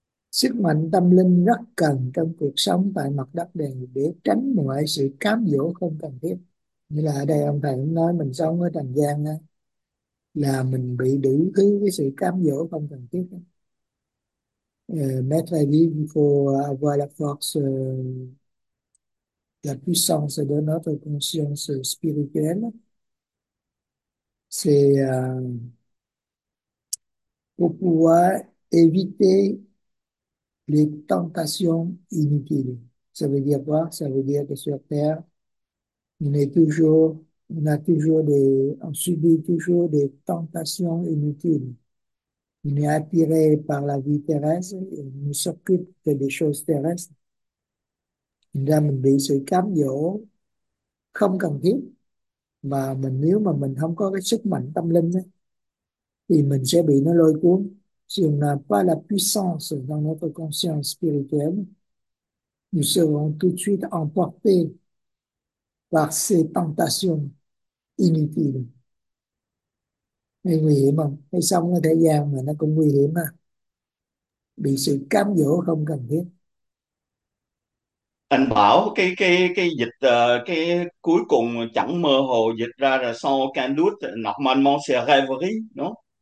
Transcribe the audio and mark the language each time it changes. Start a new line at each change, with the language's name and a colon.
Vietnamese: Sức mạnh tâm linh rất cần trong cuộc sống tại mặt đất này để tránh mọi sự cám dỗ không cần thiết. Như là ở đây ông thầy cũng nói mình sống ở trần gian đó, là mình bị đủ thứ cái sự cám dỗ không cần thiết.
French: Maître a dit qu'il faut avoir la force, la puissance de notre conscience spirituelle. C'est pour pouvoir éviter les tentations inutiles. Ça veut dire quoi? Ça veut dire que sur Terre, on subit toujours des tentations inutiles. On est attiré par la vie terrestre, on ne s'occupe que des choses terrestres.
Vietnamese: Nên mình bị sự cám dỗ không cần thiết. Mà nếu mà mình không có cái sức mạnh tâm linh ấy, thì mình sẽ bị nó lôi cuốn.
French: Si on n'a pas la puissance dans notre conscience spirituelle, nous serons tout de suite emportés par ces tentations inutiles.
Vietnamese: Hay nguy hiểm không? Hay sống ở thế gian mà nó cũng nguy hiểm à? Bị sự cám dỗ không cần thiết. Anh bảo cái dịch cái cuối cùng chẳng mơ hồ dịch ra là sau can đút nọc man mon se rêverie đó,